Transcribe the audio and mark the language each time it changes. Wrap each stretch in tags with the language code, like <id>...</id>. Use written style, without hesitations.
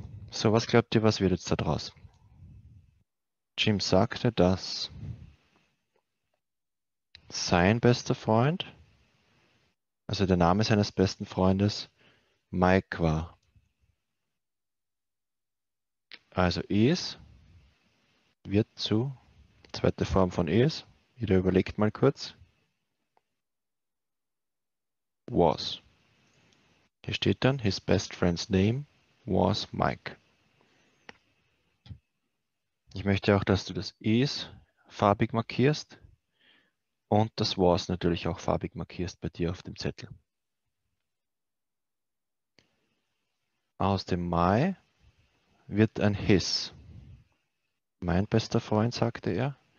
<de>So, was glaubt ihr, was wird jetzt da draus? Jim sagte, dass sein bester Freund, also der Name seines besten Freundes, Mike war. Also is wird zu, zweite Form von is. Jeder überlegt mal kurz.</de> <en>Was.</en> <de>Hier steht dann,</de> <en>his best friend's name was Mike.</en> <de>Ich möchte auch, dass du das is farbig markierst und das was natürlich auch farbig markierst bei dir auf dem Zettel. Aus dem my wird ein his. Mein bester Freund, sagte er.</de>